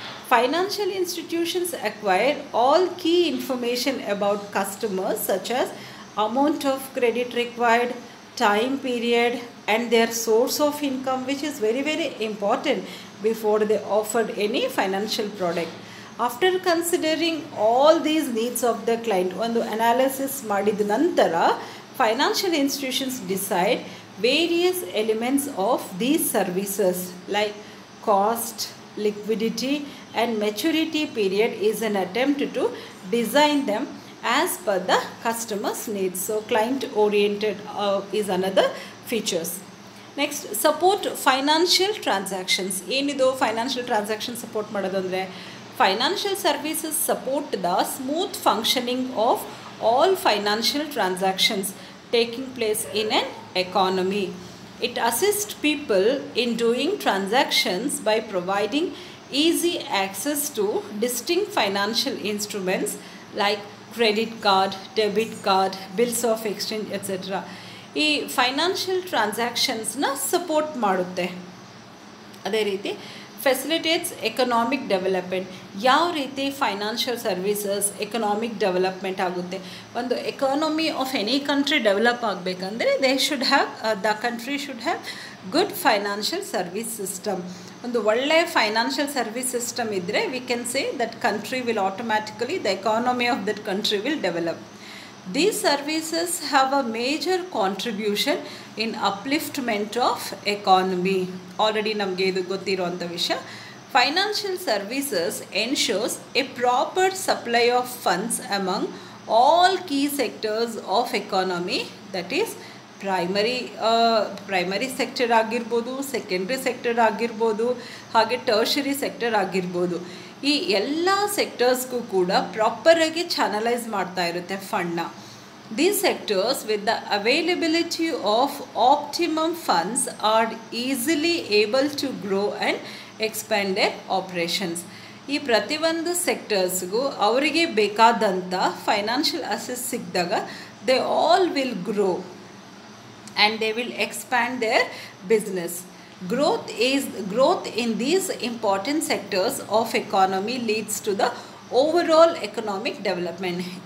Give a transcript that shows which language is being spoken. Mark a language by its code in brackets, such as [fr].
[en] Financial institutions acquire all key information about customers such as amount of credit required, time period and their source of income, which is very very important before they offered any financial product. After considering all these needs of the client, [kn] ಒಂದು analysis ಮಾಡಿದ ನಂತರ [en] financial institutions decide various elements of these services like cost, liquidity and maturity period is an attempt to design them as per the customer's needs. So client oriented is another features. Next support financial transactions. [kn] ಏನಿದು financial transaction support ಮಾಡೋದು ಅಂದರೆ, [en] Financial services support the smooth functioning of all financial transactions taking place in an economy. It assists people in doing transactions by providing easy access to distinct financial instruments like credit card, debit card, bills of exchange, etc. [kn] ಈ financial ಟ್ರಾನ್ಸಾಕ್ಷನ್ಸ್ನ support ಮಾಡುತ್ತೆ. ಅದೇ ರೀತಿ [en] Facilitates economic development. [kn] ಯಾವ ರೀತಿ financial services economic development ಆಗುತ್ತೆ? [en] ಒಂದು economy of any country [kn] develop ಆಗಬೇಕಂದ್ರೆ [en] They should have the country should have good financial service system. [kn] ಒಂದು ಒಳ್ಳೆಯ ಫೈನಾನ್ಷಿಯಲ್ ಸರ್ವೀಸ್ ಸಿಸ್ಟಮ್ ಇದ್ದರೆ [en] We can say that country will automatically the economy of that country will develop. These services have a major contribution in upliftment of economy. [kn] Already namge idu gottiruvanta vishaya. [en] Financial services ensures a proper supply of funds among all key sectors of economy, that is primary sector agirbodu, secondary sector agirbodu, hage tertiary sector agirbodu. [kn] ಈ ಎಲ್ಲ ಸೆಕ್ಟರ್ಸ್ಗೂ ಕೂಡ ಪ್ರಾಪರಾಗಿ channelise ಮಾಡ್ತಾ ಇರುತ್ತೆ ಫಂಡ್ನ. [en] The sectors with the availability of optimum funds are easily able to grow and expand their operations. [kn] ಈ ಪ್ರತಿಯೊಂದು ಸೆಕ್ಟರ್ಸ್ಗೂ ಅವರಿಗೆ ಬೇಕಾದಂಥ financial assess ಸಿಕ್ಕಿದಾಗ [en] They all will grow and they will expand their business. Growth in these important sectors of economy leads to the overall economic development.